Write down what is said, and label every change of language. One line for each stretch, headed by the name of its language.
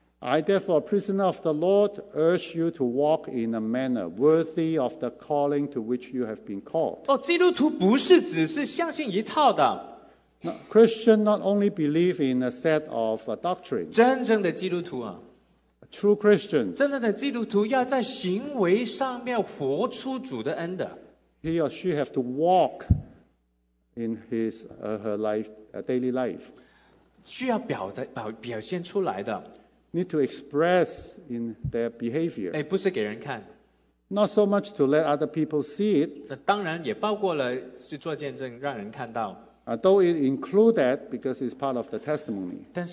English: I therefore, prisoner of the Lord, urge you to walk in a manner worthy of the calling to which you have been called.
Chinese: 基督徒不是只是相信一套的。
English: Christian not only believe in a set of doctrines.
Chinese: 真正的基督徒啊。
English: True Christians.
Chinese: 真正的基督徒要在行为上面活出主的恩的。
English: He or she have to walk in his or her life, daily life.
Chinese: 需要表现出来的。
English: Need to express in their behavior.
Chinese: 不是给人看。
English: Not so much to let other people see it.
Chinese: 当然也包括了去做见证，让人看到。
English: Though it include that because it's part of the testimony.